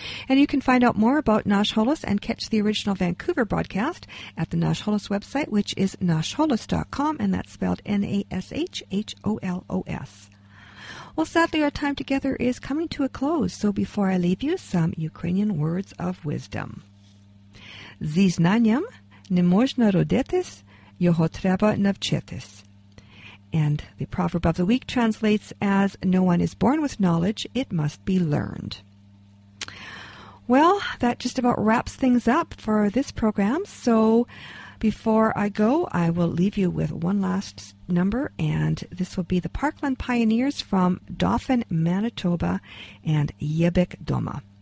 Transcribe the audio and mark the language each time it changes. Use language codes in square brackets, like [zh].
[en] And you can find out more about Nasholos and catch the original Vancouver broadcast at the Nasholos website, which is nasholos.com, and that's spelled N-A-S-H-H-O-L-O-S. Well, sadly, our time together is coming to a close, so before I leave you, some Ukrainian words of wisdom. [uk] Зі знанням не можна родитись, його треба навчитись. [en] And the proverb of the week translates as, no one is born with knowledge, it must be learned. Well, that just about wraps things up for this program. So before I go, I will leave you with one last number, and this will be the Parkland Pioneers from Dauphin, Manitoba, and Yebik Doma.